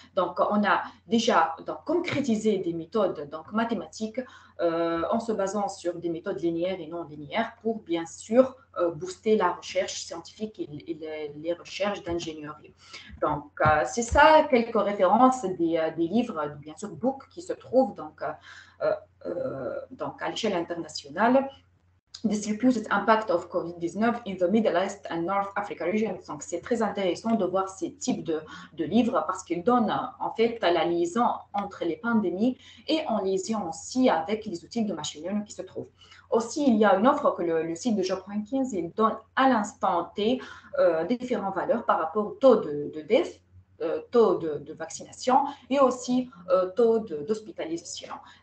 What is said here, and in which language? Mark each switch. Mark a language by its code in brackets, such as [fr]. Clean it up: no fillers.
[fr] Donc, on a déjà donc, concrétisé des méthodes donc, mathématiques en se basant sur des méthodes linéaires et non linéaires pour, bien sûr, booster la recherche scientifique et les recherches d'ingénierie. Donc, c'est ça, quelques références des livres, bien sûr, book qui se trouvent donc, à l'échelle internationale. [en] Distributed impact of COVID-19 in the Middle East and North Africa region. [fr] Donc, c'est très intéressant de voir ces types de livres parce qu'ils donnent en fait à la liaison entre les pandémies et en liaison aussi avec les outils de machine learning qui se trouvent. Aussi, il y a une offre que le site de Job Rankings il donne à l'instant T différentes valeurs par rapport au taux de death, taux de vaccination et aussi taux d'hospitalisation.